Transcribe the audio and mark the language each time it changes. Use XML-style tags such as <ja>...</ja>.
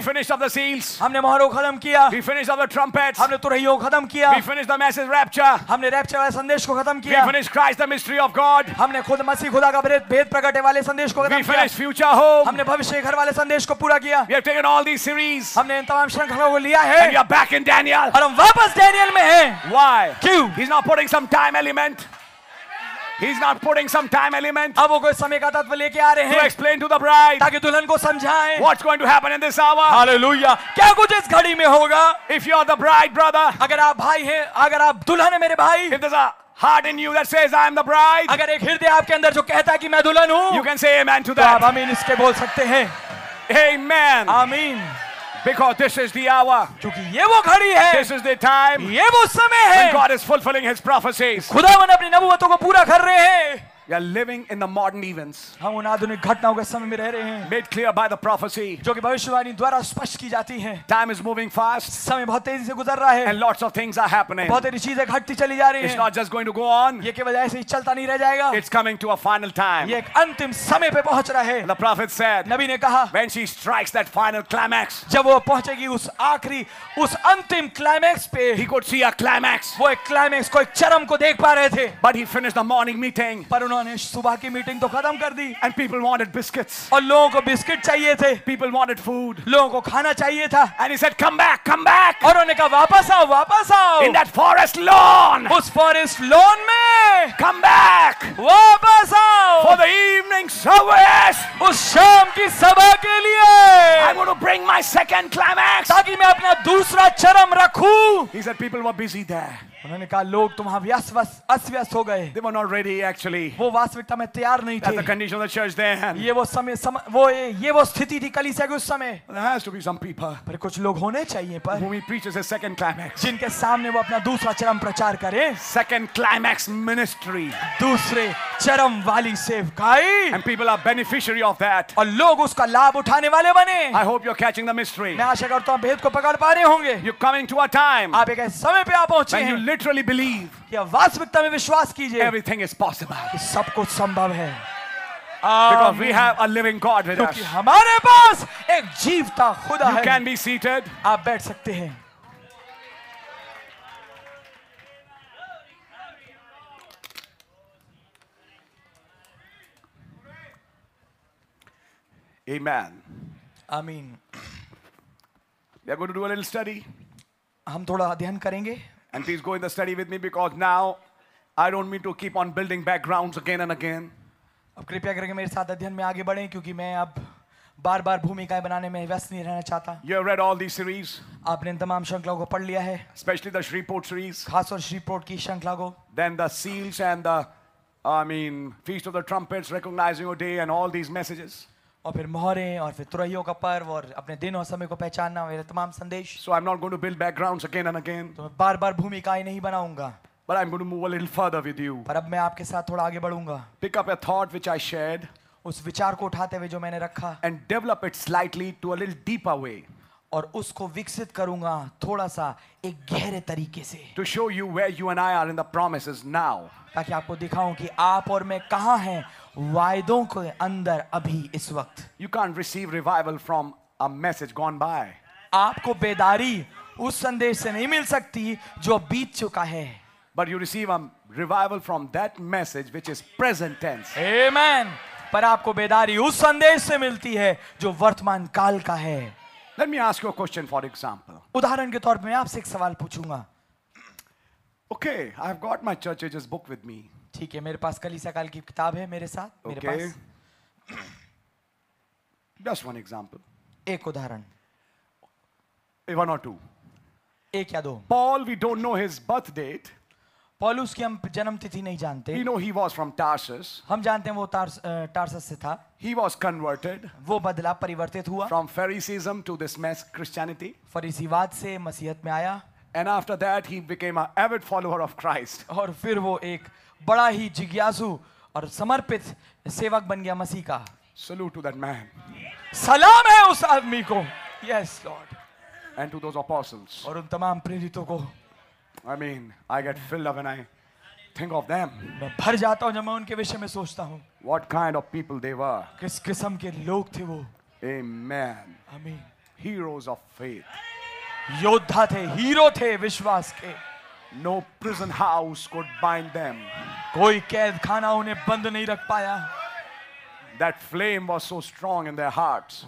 <en>We finished up the seals.</en> <hi>हमने मोहरों खत्म किया.</hi> <en>We finished up the trumpets.</en> <hi>हमने तुरहियों खत्म किया.</hi> <en>We finished the message rapture.</en> <hi>हमने रैप्चर वाले संदेश को खत्म किया.</hi> <en>We finished Christ the mystery of God.</en> <hi>हमने खुद मसीह खुदा का भेद प्रकट वाले संदेश को खत्म किया.</hi> <en>We finished future home.</en> <hi>हमने भविष्य के घर वाले संदेश को पूरा किया.</hi> <en>We have taken all these series</en> <hi>हमने इन तमाम श्रृंखलाओं को लिया है</hi> <en>and we are back in Daniel</en> <hi>और हम वापस डैनियल में हैं</hi> <en>why</en> <hi>क्यों</hi> <en>he's not putting some time element He's not putting some time element.</en> <hi>अब वो कोई समय का तत्व लेके आ रहे हैं.</hi> <en>To explain to the bride.</en> <hi>ताकि दुल्हन को समझाएं.</hi> <en>What's going to happen in this hour? Hallelujah.</en> <hi>क्या कुछ इस घड़ी में होगा?</hi> <en>If you are the bride, brother.</en> <hi>अगर आप भाई हैं, अगर आप दुल्हन हैं मेरे भाई.</hi> <en>If there's a heart in you that says I am the bride.</en> <hi>अगर एक हृदय आपके अंदर जो कहता है कि मैं दुल्हन हूँ.</hi> <en>You can say amen to that.</en> <hi>आप आमीन इसके बोल सकते हैं.</hi> <en>Amen.</en> <hi>आमीन.</hi> <en>Because this is the hour.</en> <hi>क्योंकि ये वो घड़ी है.</hi> <en>This is the time.</en> <hi>ये वो समय है.</hi> <en>When God is fulfilling His prophecies.</en> <hi>खुदावन अपनी नबुवतों को पूरा कर रहे हैं.</hi> <en>We are living in the modern events.</en> <hi>हम उन आधुनिक घटनाओं के समय में रह रहे हैं.</hi> <en>Made clear by the prophecy.</en> <hi>जो कि भविष्यवाणी द्वारा स्पष्ट की जाती हैं.</hi> <en>Time is moving fast.</en> <hi>समय बहुत तेजी से गुजर रहा है.</hi> <en>And lots of things are happening.</en> <hi>बहुत सारी चीजें घटती चली जा रही हैं.</hi> <en>It's not just going to go on.</en> <hi>ये केवल ऐसे ही चलता नहीं रह जाएगा.</hi> <en>It's coming to a final time.</en> <hi>ये एक अंतिम समय पे पहुंच रहा है.</hi> <en>The prophet said.</en> <hi>नबी ने कहा.</hi> <en>When she strikes that final climax.</en> <hi>जब वो पहुंचेगी उस आखिरी उस अंतिम क्लाइमैक्स पे.</hi> <en>He could see a climax.</en> <hi>वो एक क्लाइमैक्स को एक चरम को देख पा रहे थे.</hi> <en>But he finished the morning meeting.</en> <hi>उन्होंने सुबह की मीटिंग तो खत्म कर दी</hi> <en>and people wanted biscuits</en> <hi>और लोगों को बिस्किट चाहिए थे</hi> <en>people wanted food</en> <hi>लोगों को खाना चाहिए था</hi> <en>and he said come back</en> <hi>और उन्होंने कहा वापस आओ</hi> <en>in that forest lawn</en> <hi>उस फॉरेस्ट लॉन में</hi> <en>come back</en> <hi>वापस आओ</hi> <en>for the evening service</en> <hi>उस शाम की सभा के लिए</hi> <en>I want to bring my second climax</en> <hi>ताकि मैं अपना दूसरा चरम रखूं</hi> <en>he said people were busy there</en> <hi>उन्होंने कहा लोग तो वहां अस्व्यस्त हो गए</hi> <en>they were not ready, actually.</en> <hi>वो वास्तविकता में तैयार नहीं</hi> <en>थे That's the condition of the church then.</en> <hi>ये वो समय वो स्थिति थी कलीसिया के उस समय</hi> <en>There has to be some people.</en> <hi>पर कुछ लोग होने चाहिए पर</hi> <en>whom he preaches a second climax.</en> <hi>जिनके सामने वो अपना दूसरा चरम प्रचार करे</hi> <en>second climax ministry</en> <hi>दूसरे चरम वाली सेवकाई</hi> <en>and people are beneficiary of that</en> <hi>और लोग उसका लाभ उठाने वाले बने</hi> <en>I hope you are catching the mystery</en> <hi>मैं आशा करता हूँ भेद को पकड़ पा रहे होंगे</hi> <en>you coming to a time</en> <hi>आप एक समय पे आ पहुंचे</hi> <en>Literally believe.</en> <hi>या वास्तविकता में विश्वास कीजिए.</hi> <en>Everything is possible.</en> <hi>सब कुछ संभव है.</hi> <en>Because we have a living God with us.</en> <hi>हमारे पास एक जीवता खुदा है.</hi> <en>You can be seated.</en> <hi>आप बैठ सकते हैं.</hi> <en>Amen. Amen. We are going to do a little study.</en> <hi>हम थोड़ा अध्ययन करेंगे.</hi> <en>And please go in the study with me because now I don't mean to keep on building backgrounds again and again.</en> <hi>अब कृपया करके मेरे साथ अध्ययन में आगे बढ़ें क्योंकि मैं अब बार-बार भूमिकाएं बनाने में व्यस्त नहीं रहना चाहता.</hi> <en>You have read all these series.</en> <hi>आपने इन तमाम श्रृंखलाओं को पढ़ लिया है.</hi> <en>Especially the Shreveport series.</en> <hi>खासकर श्रीपोर्ट की श्रृंखला को.</hi> <en>Then the seals and the feast of the trumpets, recognizing your day and all these messages.</en> <hi>और फिर मोहरें और फिर तुरहियों का पर्व और अपने दिन और समय को पहचानना मेरे तमाम संदेश.</hi> <en>So I'm not going to build backgrounds again and again.</en> <hi>तो मैं बार-बार भूमिकाएं नहीं बनाऊंगा.</hi> <en>But I'm going to move a little further with you.</en> <hi>पर अब मैं आपके साथ थोड़ा आगे बढ़ूंगा.</hi> <en>Pick up a thought which I shared.</en> <hi>उस विचार को उठाते हुए जो मैंने रखा.</hi> <en>And develop it slightly to a little deeper way.</en> <hi>और उसको विकसित करूंगा थोड़ा सा एक गहरे तरीके से.</hi> <en>To show you where you and I are in the promises now.</en> <hi>ताकि आपको दिखाऊं कि आप और मैं कहां हैं वायदों के अंदर अभी इस वक्त.</hi> <en>You can't receive revival from a message gone by.</en> <hi>आपको बेदारी उस संदेश से नहीं मिल सकती जो बीत चुका है.</hi> <en>But you receive a revival from that message which is present tense. Amen.</en> <hi>पर आपको बेदारी उस संदेश से मिलती है जो वर्तमान काल का है.</hi> <en>Let me ask you a question, for example.</en> <hi>उदाहरण के तौर पे मैं आपसे एक सवाल पूछूंगा.</hi> <en>Okay, I have got my church age's book with me.</en> <hi>ठीक है, मेरे पास कलीसिया काल की किताब है मेरे साथ.</hi> <en>Okay.</en> <hi>मेरे</hi> <en>पास. Just one example.</en> <hi>एक उदाहरण.</hi> <en>One or two.</en> <hi>एक या दो.</hi> <en>Paul, we don't know his birth date.</en> <hi>पॉलुस की हम जन्मतिथि नहीं जानते.</hi> <en>We know he was from Tarsus.</en> <hi>हम जानते हैं वो टार्सस से था.</hi> <en>He was converted.</en> <hi>वो बदला, परिवर्तित हुआ.</hi> <en>From Phariseeism to this mess Christianity.</en> <hi>फरीसीवाद से मसीहत में आया.</hi> <en>And after that he became an avid follower of Christ.</en> <hi>और फिर वो एक बड़ा ही जिज्ञासु और समर्पित सेवक बन गया मसीह का.</hi> <en>Salute to that man.</en> <hi>सलाम है उस आदमी को.</hi> <en>Yes, Lord. And to those apostles.</en> <hi>और उन तमाम प्रेरितों को.</hi> <en>I mean, I get filled up and I think of them.</en> <hi>मैं भर जाता हूँ जब मैं उनके विषय में सोचता हूँ.</hi> <en>What kind of people they were?</en> <hi>किस किस्म के लोग थे वो?</hi> <en>Amen. Amen. Heroes of faith.</en> <hi>योद्धा थे, हीरो थे विश्वास के.</hi> <en>No prison house could bind them.</en> <hi>कोई कैद खाना उन्हें बंद नहीं रख पाया.</hi> <en>That flame was so strong in their hearts.</en>